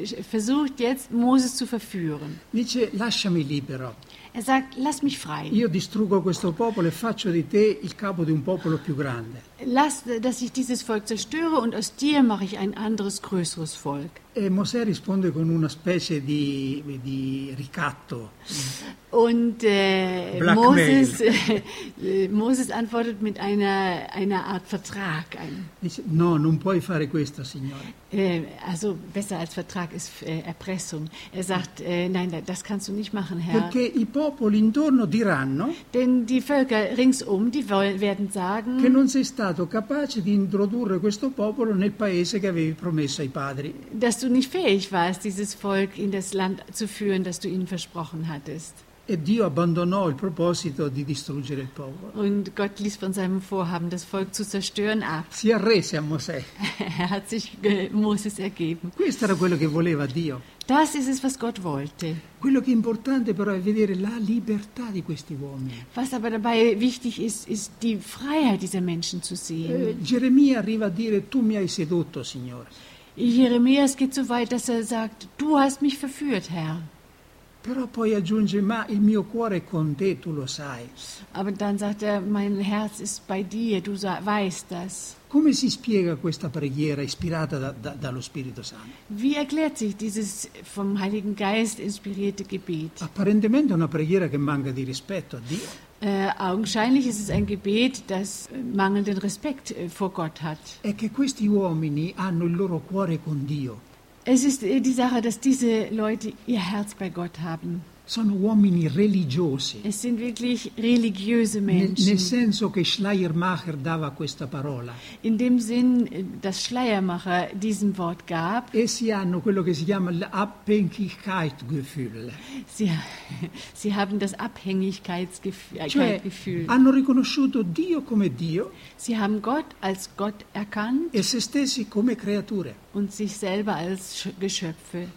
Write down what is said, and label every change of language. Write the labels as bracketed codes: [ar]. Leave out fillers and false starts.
[de] Versucht jetzt Moses zu verführen. [it] Dice, lasciami libero. [de] Er sagt, lass mich frei. [it] Io distruggo questo popolo e faccio di te il capo di un popolo più grande. [de] Lass, dass ich dieses Volk zerstöre und aus dir mache ich ein anderes größeres Volk. [it] E Mosè risponde con una specie di ricatto. [de] Und Moses antwortet mit einer Art Vertrag. [it] Dice, no, non puoi fare questo, Signore. [de] Also besser als Vertrag ist Erpressung. Er sagt, nein, das kannst du nicht machen, Herr. [it] Perché i popoli intorno diranno. [de] Denn die Völker ringsum, die werden sagen. [it] Che non sei stato capace di introdurre questo popolo nel paese che avevi promesso ai padri. [de] Dass du nicht fähig warst, dieses Volk in das Land zu führen, das du ihnen versprochen hattest. [it] E Dio abbandonò il proposito di distruggere il popolo. [de] Und Gott ließ von seinem Vorhaben, das Volk zu zerstören, ab. [it] Si arrese a Mosè. [de] Er hat sich Moses ergeben. [it] Questo era quello che voleva Dio. [de] Das ist es, was Gott wollte. [it] Quello che è importante però è vedere la libertà di questi uomini. [de] Was aber dabei wichtig ist, ist die Freiheit dieser Menschen zu sehen. [it] Geremia arriva a dire, tu mi hai sedotto, Signore. [de] Jeremias geht so weit, dass er sagt, du hast mich verführt, Herr. [it] Però poi aggiunge, ma il mio cuore è con te, tu lo sai. [de] Aber dann sagt er, mein Herz ist bei dir, du weißt das. [it] Come si spiega questa preghiera ispirata dallo Spirito Santo? [de] Wie erklärt sich dieses vom Heiligen Geist inspirierte Gebet? [it] Apparentemente è una preghiera che manca di rispetto a Dio. [de] Augenscheinlich ist es ein Gebet, das mangelnden Respekt vor Gott hat. [it] È che questi uomini hanno il loro cuore con Dio. [de] Es ist die Sache, dass diese Leute ihr Herz bei Gott haben. [it] Sono uomini religiosi. [de] Es sind wirklich religiöse Menschen. [it] Nel senso che Schleiermacher dava questa parola. [de] In dem Sinn, dass Schleiermacher diesem Wort gab. [it] E sie hanno quello che si chiama l'Abhängigkeitsgefühl. [de] Sie haben das Abhängigkeitsgefühl. [it] Cioè, hanno riconosciuto Dio come Dio. [de] Sie haben Gott als Gott erkannt. [it] E se stessi come creature. [de] Und sich selber als Geschöpfe.